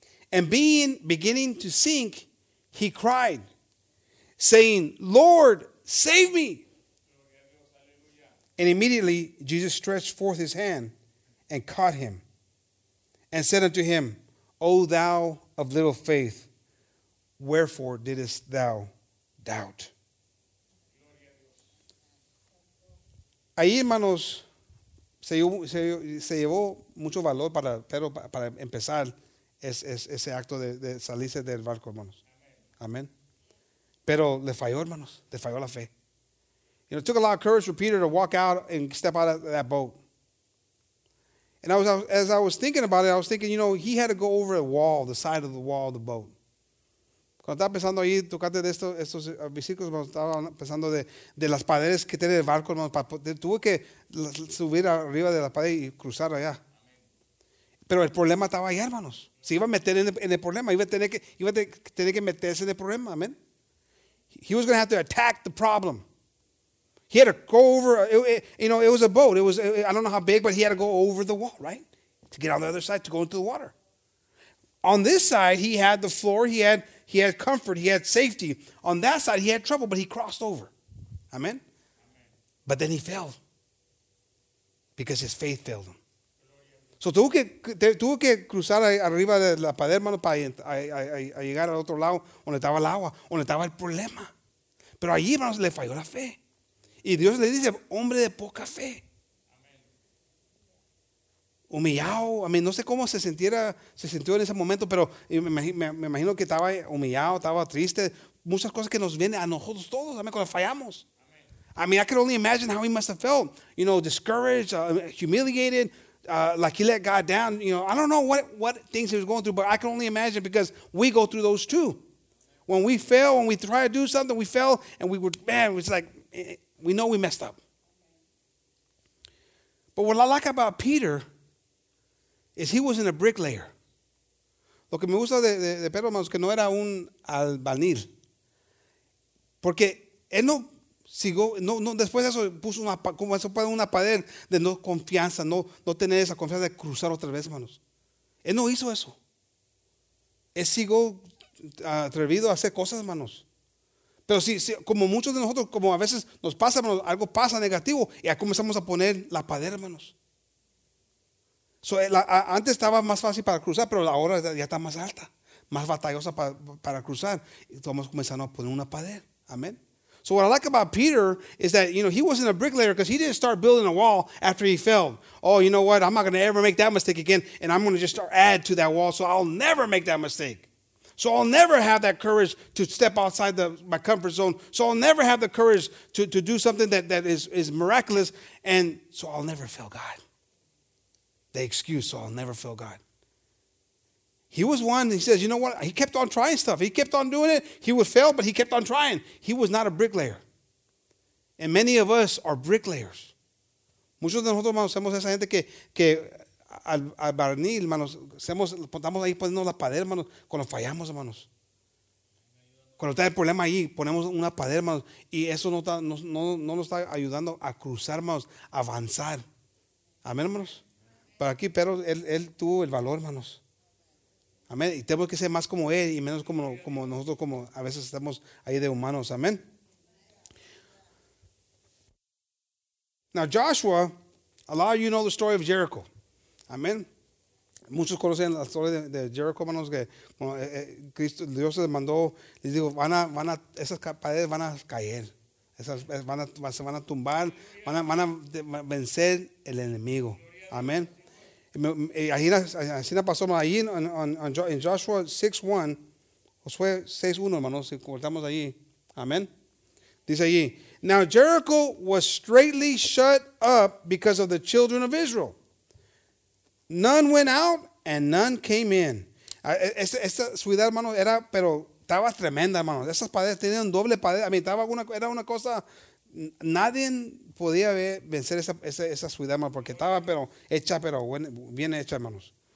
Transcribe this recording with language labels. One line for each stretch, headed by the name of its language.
English: And beginning to sink, he cried, saying, "Lord, save me." And immediately Jesus stretched forth his hand and caught him and said unto him, "O thou of little faith, wherefore didst thou doubt?"
Spanish: Ahí, hermanos, se llevó mucho valor para Pedro para empezar ese acto de salirse del barco, hermanos. Amén. Pero le falló, hermanos. Le falló la fe.
English: You know, it took a lot of courage for Peter to walk out and step out of that boat. And as I was thinking about it, I was thinking, you know, he had to go over a wall, the side of the wall of the boat.
Spanish: Cuando estaba pensando ahí, tocate de estos versículos, estaba pensando de las paredes que tiene el barco, hermano. Tuve que subir arriba de la pared y cruzar allá. Pero el problema estaba allá, hermanos. Se iba a meter en el problema. Iba a tener que meterse en el problema. Amén.
English: He was going to have to attack the problem. He had to go over, you know, it was a boat. I don't know how big, but he had to go over the wall, right? To get on the other side, to go into the water. On this side, he had the floor. He had comfort. He had safety. On that side, he had trouble, but he crossed over. Amen? But then he fell because his faith failed him.
Spanish: So tuvo que cruzar arriba de la pared, hermano, para llegar al otro lado, donde estaba el agua, donde estaba el problema. Pero allí, hermano, le falló la fe. Y Dios le dice, hombre de poca fe. Humillado. I mean, no sé cómo se sintió en ese momento, pero me imagino que estaba humillado, estaba triste. Muchas cosas que nos vienen a nosotros todos, amén, cuando fallamos.
English: Amen. I mean, I can only imagine how he must have felt. You know, discouraged, humiliated, like he let God down. You know, I don't know what things he was going through, but I can only imagine because we go through those too. When we fail, when we try to do something, we fail, and we were, man, it was like... We know we messed up. But what I like about Peter is he wasn't a bricklayer.
Spanish: Lo que me gusta de Pedro, hermanos, que no era un albañil. Porque él no siguió, no, no, después de eso puso una, como eso puede una pared de no confianza, no, no tener esa confianza de cruzar otra vez, hermanos. Él no hizo eso. Él siguió atrevido a hacer cosas, hermanos. Pero si, como muchos de nosotros, como a veces nos pasa, hermanos, algo pasa negativo y ya comenzamos a poner la pared, hermanos. So, antes estaba más fácil para cruzar, pero ahora ya está más alta, más batallosa para cruzar. Y estamos comenzando a poner una pared. Amen.
English: So what I like about Peter is that, you know, he wasn't a bricklayer because he didn't start building a wall after he fell. Oh, you know what? I'm not going to ever make that mistake again, and I'm going to just start add to that wall so I'll never make that mistake. So I'll never have that courage to step outside my comfort zone. So I'll never have the courage to do something that is miraculous, and so I'll never fail God. The excuse, so I'll never fail God. He was one, he says, you know what? He kept on trying stuff. He kept on doing it. He would fail, but he kept on trying. He was not a bricklayer. And many of us are bricklayers.
Spanish: Muchos de nosotros, hermanos, somos esa gente que al barniz, hermanos, estamos ahí poniendo la pared, hermanos, cuando fallamos, hermanos. Cuando está el problema ahí, ponemos una pared, hermanos, y eso no nos está ayudando a cruzar, hermanos, a avanzar. Amén, hermanos. Pero aquí Pedro, él tuvo el valor, hermanos. Amén. Y tenemos que ser más como él y menos como nosotros, como a veces estamos ahí de humanos. Amén.
English: Now Joshua, a lot of you know the story of Jericho.
Spanish: Amén. Muchos conocen la historia de Jericho, hermanos, que bueno, Cristo, Dios se mandó, les dijo, van a esas paredes van a caer. Esas van a tumbar, van a vencer el enemigo. Amén. Así pasó ahí en Joshua 6:1, Josué 6:1, hermanos, si cortamos ahí. Amén. Dice allí,
English: now Jericho was straitly shut up because of the children of Israel. None went out and none came in.
Spanish: Esta ciudad, hermano, era, pero estaba tremenda, hermano. Esas paredes tenían doble pared. A mí estaba una, era una cosa, nadie podía vencer esa ciudad, hermano, porque estaba pero hecha, pero bien hecha, hermanos.